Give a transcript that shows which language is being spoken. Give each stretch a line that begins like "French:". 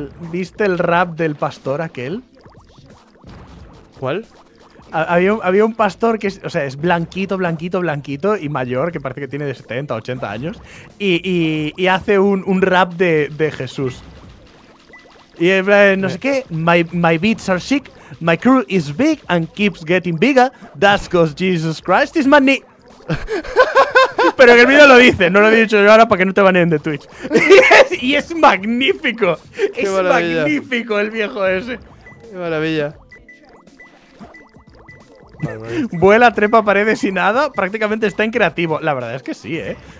Spanish: ¿Viste el rap del pastor aquel? ¿Cuál? Había un pastor que es, o sea, es blanquito, blanquito, blanquito y mayor, que parece que tiene de 70, 80 años, y hace un rap de Jesús. Y no sé qué,
English: my beats are sick, my crew is big and keeps getting bigger, that's cause Jesus Christ is my knee.
Spanish: Pero en el video lo dice, no lo he dicho yo ahora para que no te baneen de Twitch. Y es magnífico, qué es maravilla. Magnífico el viejo ese. Qué maravilla. Vuela, trepa paredes y nada. Prácticamente está en creativo. La verdad es que sí, ¿eh?